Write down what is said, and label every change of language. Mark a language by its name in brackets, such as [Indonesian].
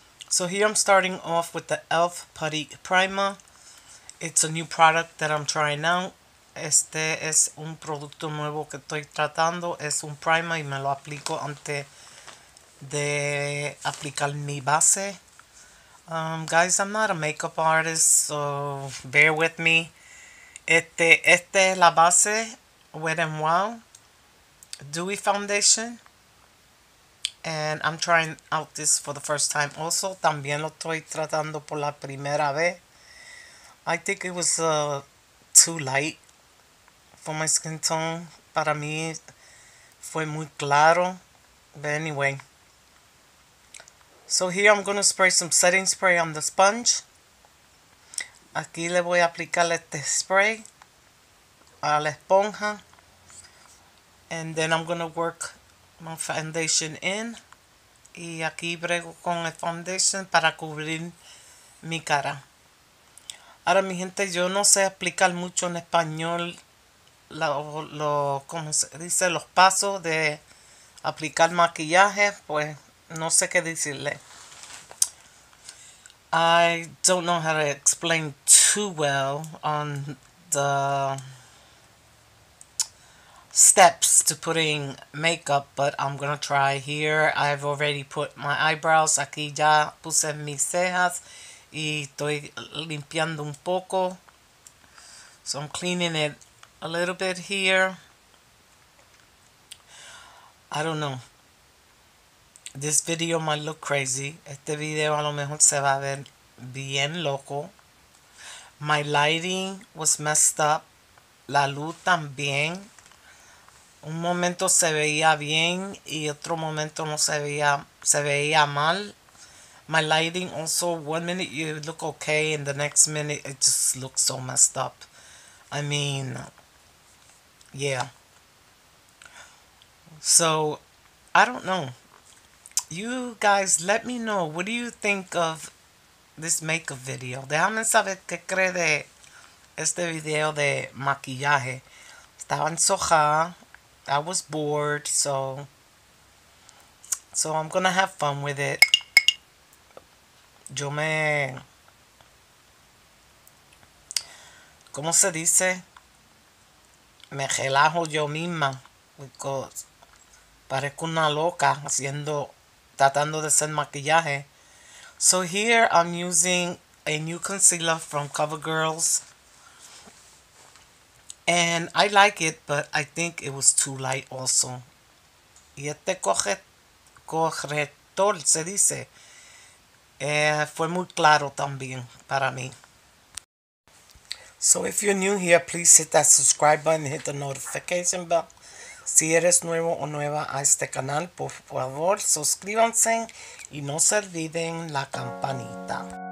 [English] So here I'm starting off with the Elf Putty Primer. It's a new product that I'm trying out. [Spanish] Este es un producto nuevo que estoy tratando. Es un primer y me lo aplico antes de aplicar mi base. [English] Guys, I'm not a makeup artist, so bear with me. [Spanish] Este es la base, Wet n Wild Dewy Foundation. [English] And I'm trying out this for the first time also. [Spanish] También lo estoy tratando por la primera vez. [English] I think it was too light for my skin tone. [Spanish] Para mí fue muy claro. [English] But anyway. So here I'm going to spray some setting spray on the sponge. [Spanish] Aquí le voy a aplicar este spray a la esponja. [English] And then I'm going to work my foundation in. [Spanish] Y aquí brego con el foundation para cubrir mi cara. Ahora, mi gente, yo no sé explicar mucho en español como se dice, los pasos de aplicar maquillaje. Pues no sé qué decirle. [English] I don't know how to explain too well on the steps to putting makeup, but I'm gonna try here. I've already put my eyebrows. [Spanish] Aquí ya puse mis cejas. Y estoy limpiando un poco. [English] So I'm cleaning it a little bit here. I don't know. This video might look crazy. [Spanish] Este video a lo mejor se va a ver bien loco. [English] My lighting was messed up. [Spanish] La luz también. Un momento se veía bien y otro momento no se veía, se veía mal. [English] My lighting also, one minute you look okay and the next minute it just looks so messed up. I mean, yeah. So, I don't know. You guys, let me know. What do you think of this makeup video? [Spanish] Déjame saber qué cree de este video de maquillaje. Estaba en soja. [English] I was bored, so I'm gonna have fun with it. [Spanish] Yo me, ¿cómo se dice? Me relajo yo misma, [English] because [Spanish] parezco una loca haciendo, tratando de hacer maquillaje. [English] So here I'm using a new concealer from CoverGirls. And I like it, but I think it was too light also. [Spanish] Y este corrector, se dice, fue muy claro también para mí. [English] So if you're new here, please hit that subscribe button, hit the notification bell. [Spanish] Si eres nuevo o nueva a este canal, por favor, suscríbanse y no se olviden la campanita.